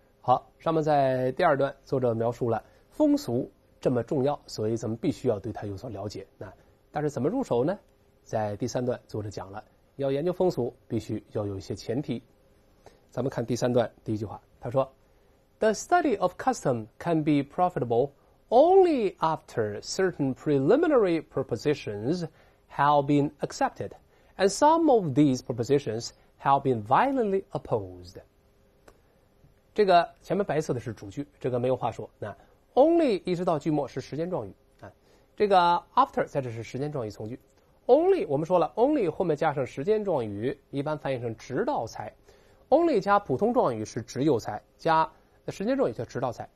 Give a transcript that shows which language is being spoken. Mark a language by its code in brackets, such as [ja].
[zh] 好，上面在第二段，作者描述了风俗这么重要，所以咱们必须要对它有所了解。那但是怎么入手呢？在第三段，作者讲了，要研究风俗，必须要有一些前提。咱们看第三段第一句话，他说 [en] ：“The study of custom can be profitable only after certain preliminary propositions have been accepted, and some of these propositions have been violently opposed.” [zh] 这个前面白色的是主句，这个没有话说。那 only 一直到句末是时间状语啊。这个 after 在这是时间状语从句。 only 我们说了 ，only 后面加上时间状语，一般翻译成直到才。 only 加普通状语是只有才，加时间状语叫直到才。